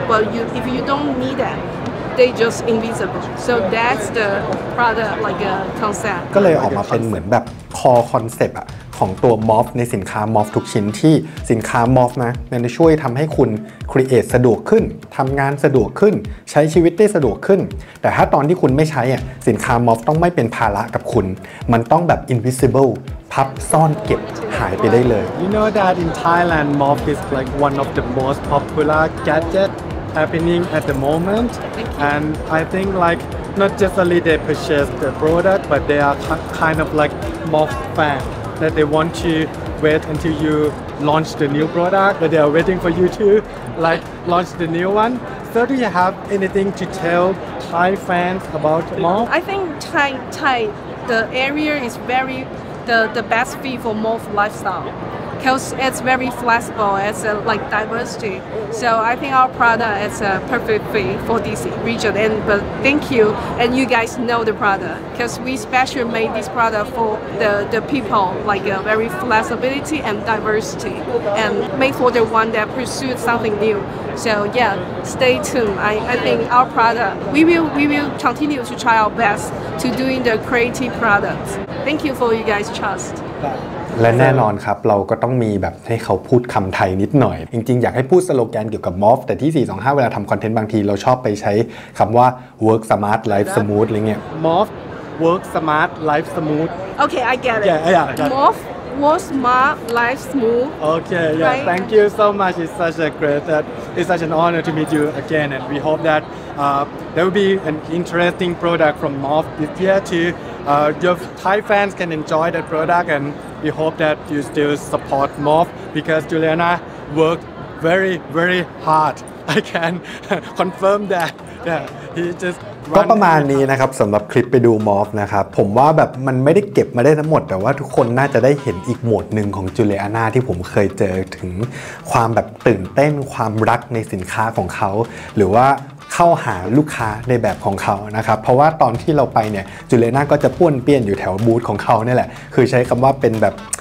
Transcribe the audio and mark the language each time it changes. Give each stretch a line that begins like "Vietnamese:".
English: But if you don't need it, they just invisible. So that's the product like a concept.
Thai: ก็เลยออกมาเป็นเหมือนแบบ core concept อะของตัว Morph ในสินค้า Morph ทุกชิ้นที่สินค้า Morph นะมันจะช่วยทำให้คุณ create สะดวกขึ้นทำงานสะดวกขึ้นใช้ชีวิตได้สะดวกขึ้นแต่ถ้าตอนที่คุณไม่ใช้อ่ะสินค้า Morph ต้องไม่เป็นภาระกับคุณมันต้องแบบ invisible พับซ่อนเก็บหายไปได้เลย
English: You know that in Thailand Morph is like one of the most popular gadget happening at the moment and I think like not just only they purchase the product but they are kind of like Morph fanThat they want to wait until you launch the new product, but they are waiting for you to like launch the new one. So do you have anything to tell Thai fans about Morph? I think Thai, the area is very the best fit for Morph lifestyle, because it's very flexible, it's like diversity. So I think our product is a perfect fit for this region. And but thank you, and you guys know the product. Because we specially made this product for the people, like a very flexibility and diversity, and made for the one that pursued something new. So yeah, stay tuned. I think our product, we will continue to try our best to doing the creative products. Thank you for you guys' trust.
Thai: และแน่นอนครับเราก็ต้องมีแบบให้เขาพูดคำไทยนิดหน่อยจริงๆอยากให้พูดสโลแกนเกี่ยวกับ Morph แต่ที่425เวลาทำคอนเทนต์บางทีเราชอบไปใช้คำว่า
English: work smart life smooth
Thai: อะไรเงี้ย
English: Morph work smart life smooth okay I get it yeah. Morph work smart life smooth okay yeah right? thank you so much it's such a great that it's such an honor to meet you again and we hope that there will be an interesting product from Morph this year to your Thai fans can enjoy that product andWe hope that you still support Morph because Juliana worked very, very hard. I can confirm that. Yeah, he just
Thai: ก็ประมาณนี้นะครับสำหรับคลิปไปดู Morph นะครับผมว่าแบบมันไม่ได้เก็บมาได้ทั้งหมดแต่ว่าทุกคนน่าจะได้เห็นอีกโหมดหนึ่งของ Juliana ที่ผมเคยเจอถึงความแบบตื่นเต้นความรักในสินค้าของเขาหรือว่าเข้าหาลูกค้าในแบบของเขานะครับเพราะว่าตอนที่เราไปเนี่ยจูเลียน่าก็จะป้วนเปี้ยนอยู่แถวบูธของเขาเนี่ยแหละคือใช้คำว่าเป็นแบบ